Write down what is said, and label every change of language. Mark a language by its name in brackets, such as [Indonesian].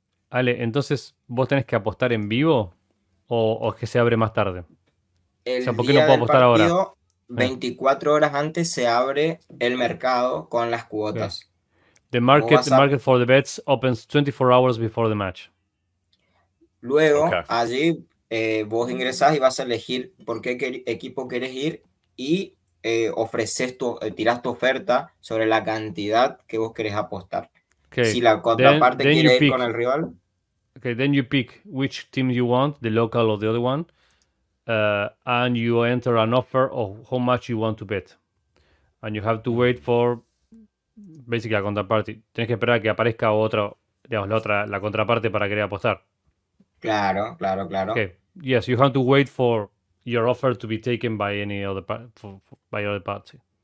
[Spanish] Ale, entonces vos tenés que apostar en vivo o que se abre más tarde. O sea, ¿por qué no puedo apostar ahora? 24 horas antes se abre el mercado con las cuotas. [English] The market, market for the bets opens 24 hours before the match. [Spanish] Luego, allí vos ingresás y vas a elegir por qué equipo quieres ir y ofreces tiras tu oferta sobre la cantidad que vos querés apostar. [English] Okay. [Spanish] Si la contraparte then quiere ir con el rival. [English] Okay, then you pick which team you want, the local or the other one. And you enter an offer of how much you want to bet. And you have to wait for basically a contraparte. [Spanish] Tienes que esperar a que aparezca otra, digamos, la contraparte para querer apostar. Claro, claro, claro. [English] Okay. Yes, you have to wait for your offer to be taken by any other by other party.